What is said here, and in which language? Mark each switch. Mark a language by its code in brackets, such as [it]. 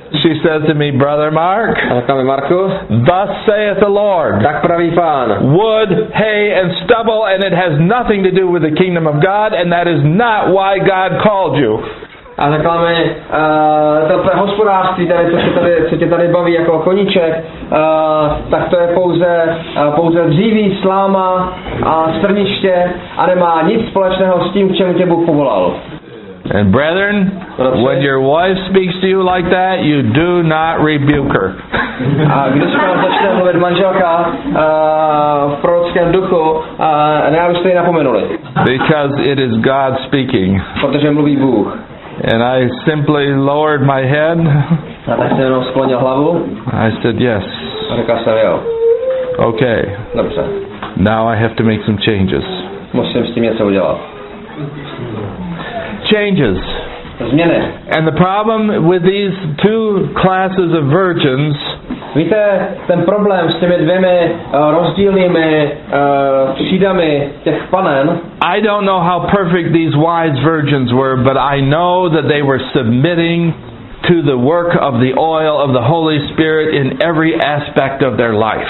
[en] She said to me, Brother Mark, thus saith the Lord, [cs] tak praví pán, [en] wood, hay, and stubble, and it has nothing to do with the kingdom of God, and that is not why God called you. [cs] A řekla mi, to hospodářství, tady, to, co tě tady baví jako koníček, tak to je pouze dříví, sláma a strniště a nemá nic společného s tím, k čemu tě Bůh povolal. [en] And brethren, when your wife speaks to you like that, you do not rebuke her. [cs] A když se vám začne mluvit manželka v prorockém duchu, nejabyste ji napomenuli. [en] Because it is God speaking. [cs] Protože mluví Bůh. [en] And I simply lowered my head. [cs] A tak jsem jenom sklonil hlavu. [en] I said yes. [cs] A řekl jsem jo. [en] Okay. [cs] Dobře. [en] Now I have to make some changes. [cs] Musím s tím něco udělat. [en] Changes. [cs] Změny. [en] And the problem with these two classes of virgins. [cs] Víte, ten problém s těmi dvěmi rozdílnými třídami těch panen. [en] I don't know how perfect these wise virgins were, but I know that they were submitting to the work of the oil of the Holy Spirit in every aspect of their life.